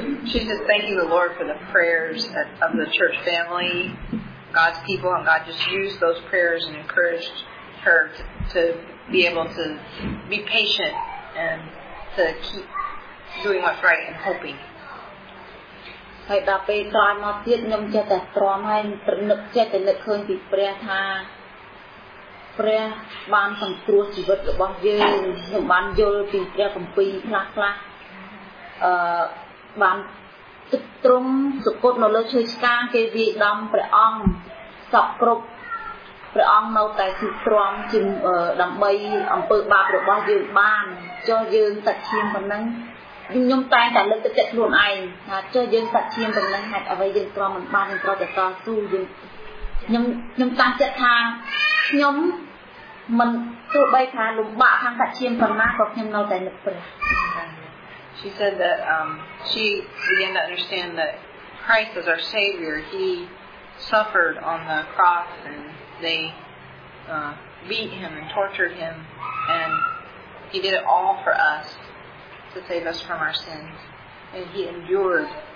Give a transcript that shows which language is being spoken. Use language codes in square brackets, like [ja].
[en] She says, thank you, the Lord, for the prayers of the church family, God's people, and God just used those prayers and encouraged her to be able to be patient and to keep doing what's right and hoping. [km] Hey, ដល់ពេលក្រោយមកទៀតខ្ញុំចេះតែទ្រាំហើយនឹកចេះតែនឹកឃើញពីព្រះថា ព្រះបានសង្គ្រោះជីវិតរបស់យើងខ្ញុំបានយល់ពីព្រះគម្ពីរខ្លះខ្លះអឺបានទឹកត្រង់សុគតនៅលើឈើស្កាងគេវិដំព្រះអង្គសក់គ្រប់ ព្រះអង្គនៅតែទឹកត្រង់ជាដើម្បីអំពើបាបរបស់យើងបានចុះយើងតែឈាមប៉ុណ្ណឹងខ្ញុំតែងតែលើកទឹកចិត្តខ្លួនឯងថាចុះយើងតែឈាមប៉ុណ្ណឹងហេតុអ្វីយើងត្រាំមិនបានយើងត្រូវតែតស៊ូយើងខ្ញុំតាំងចិត្តថាខ្ញុំមិនទោះបីថាលំបាកខាងតែឈាមប៉ុណ្ណាក៏ខ្ញុំនៅតែនឹកព្រះ [en] She said that she began to understand that Christ is our savior. He suffered on the cross and they beat him and tortured him and he did it all for us to save us from our sins and he endured.